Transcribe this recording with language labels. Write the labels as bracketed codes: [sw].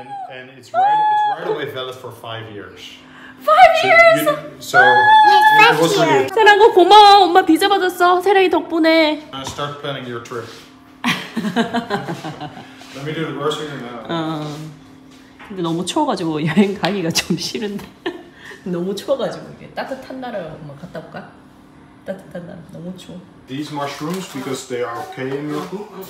[en] And it's right away valid for 5 years. 5 years. So it was really. [ko] 사랑해 고마워. 엄마 비자 받았어. 사랑이 덕분에. [en] Start planning your trip. Let me do the grocery now. [ko] 근데 너무 추워가지고 여행 가기가 좀 싫은데. 너무 추워가지고 이게 따뜻한 나라 엄마 갔다 올까? 따뜻한 나라 너무 추워. [en] These mushrooms because they are okay in your cook.